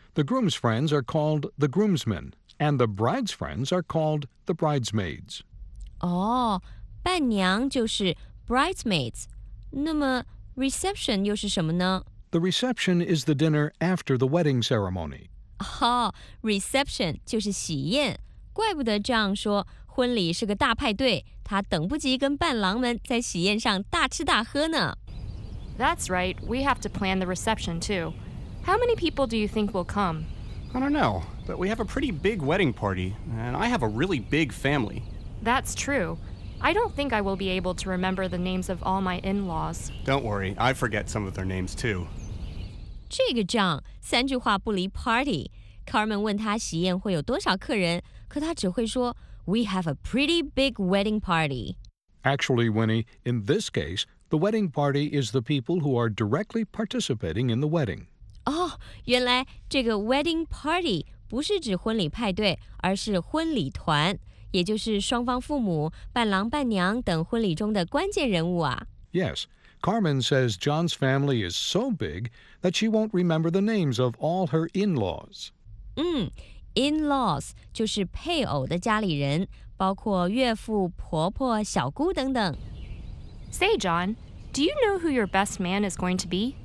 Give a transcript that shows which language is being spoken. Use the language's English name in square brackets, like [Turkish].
[English] The groom's friends are called the groomsmen, and the bride's friends are called the bridesmaids. [Chinese] Oh, 伴娘就是 bridesmaids. 那么 reception 又是什么呢? [English] The reception is the dinner after the wedding ceremony. [Chinese] Oh, reception 就是喜宴。怪不得 John 说婚礼是个大派对，他等不及跟伴郎们在喜宴上大吃大喝呢。 [English] That's right. We have to plan the reception too. How many people do you think will come? I don't know, but we have a pretty big wedding party, and I have a really big family. That's true. I don't think I will be able to remember the names of all my in-laws. Don't worry, I forget some of their names too. [Chinese] 这个 John, 三句话不离 party. Carmen 问他喜宴会有多少客人,可他只会说, [English] We have a pretty big wedding party. Actually, Winnie, in this case, the wedding party is the people who are directly participating in the wedding. [Chinese] Oh, 原来这个 wedding party 不是指婚礼派对,而是婚礼团。也就是双方父母、伴郎、伴娘等婚礼中的关键人物啊。 [English] Yes, Carmen says John's family is so big that she won't remember the names of all her in-laws. [Chinese] 嗯 ，in-laws 就是配偶的家里人，包括岳父、婆婆、小姑等等。 [English] Say, John, do you know who your best man is going to be?